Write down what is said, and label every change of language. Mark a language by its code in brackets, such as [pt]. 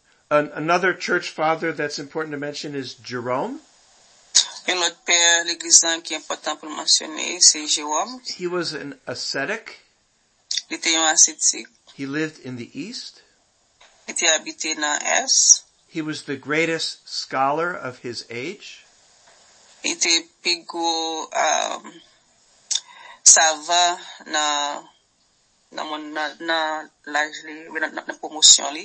[en] Another church father that's important to mention is Jerome. [fr] Un autre père, l'église saint, qui est important pour le mentionner, c'est Jérôme. [en] He was an ascetic. [fr] Il était un ascétique. [en] He lived in the East. [fr] Il était habité dans l'Est. [en] He was the greatest scholar of his age. [fr] Il était plus gros, savant dans la promotion.